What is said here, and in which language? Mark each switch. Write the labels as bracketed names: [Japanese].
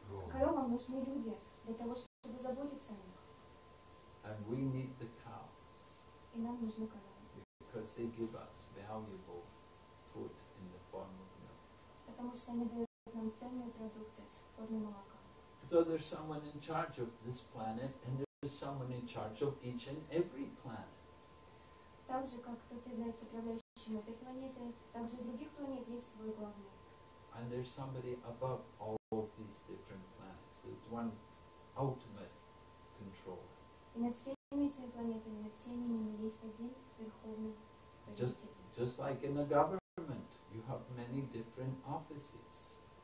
[Russian] коровам нужны люди для того, чтобы заботиться о них. [English] And we need the cows. [Russian] И нам нужны коровы. [English] Because they give us valuable food in the form of milk. [Russian] Потому что они дают нам ценные продукты в форме молока. [English] So there's someone in charge of this planet, and there's someone in charge of each and every planet. [Russian] Так же, как кто-то является управляющим этой планетой, так же и других планет есть свой главный. [English] And there's somebody above all of these different planets. There's one ultimate controller. Just like in a government, you have many different offices.